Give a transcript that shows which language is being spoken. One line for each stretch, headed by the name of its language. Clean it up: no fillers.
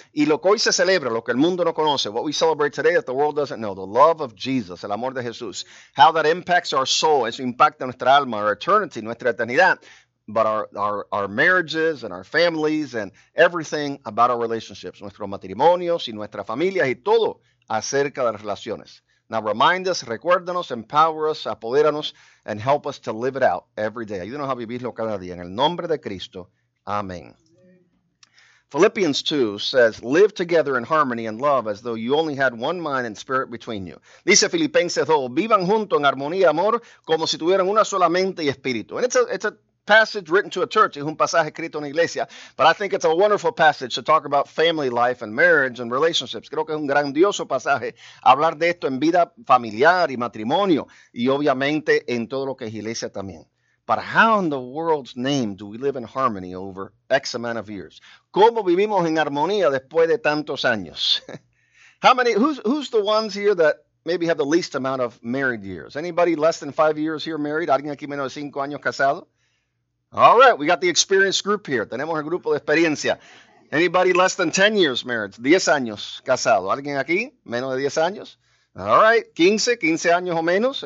Spanish: Y lo que hoy se celebra, lo que el mundo no conoce,
English: what we celebrate today that the world doesn't know, the love of Jesus,
Spanish: el amor de Jesús,
English: how that impacts our soul,
Spanish: eso impacta nuestra alma,
English: our eternity,
Spanish: nuestra eternidad,
English: but our marriages and our families and everything about our relationships,
Spanish: nuestros matrimonios y nuestras familias y todo acerca de las relaciones.
English: Now remind us,
Spanish: recuérdanos,
English: empower us,
Spanish: apodéranos,
English: and help us to live it out every day.
Spanish: Ayúdanos a vivirlo cada día. En el nombre de Cristo, amén.
English: Philippians 2 says, live together in harmony and love as though you only had one mind and spirit between you.
Spanish: Dice Filipenses 2, vivan juntos en armonía y amor como si tuvieran una sola mente y espíritu.
English: And it's a passage written to a church.
Spanish: Es un pasaje escrito en una iglesia.
English: But I think it's a wonderful passage to talk about family life and marriage and relationships.
Spanish: Creo que es un grandioso pasaje hablar de esto en vida familiar y matrimonio y obviamente en todo lo que es iglesia también.
English: But how in the world's name do we live in harmony over X amount of years?
Spanish: ¿Cómo vivimos en armonía después de tantos años?
English: Who's the ones here that maybe have the least amount of married years? Anybody less than 5 years here married?
Spanish: ¿Alguien aquí menos de 5 años casado?
English: All right, we got the experienced group here.
Spanish: Tenemos el grupo de experiencia.
English: Anybody less than 10 years married?
Spanish: 10 años casado. ¿Alguien aquí menos de 10 años?
English: All right,
Spanish: 15 años o menos.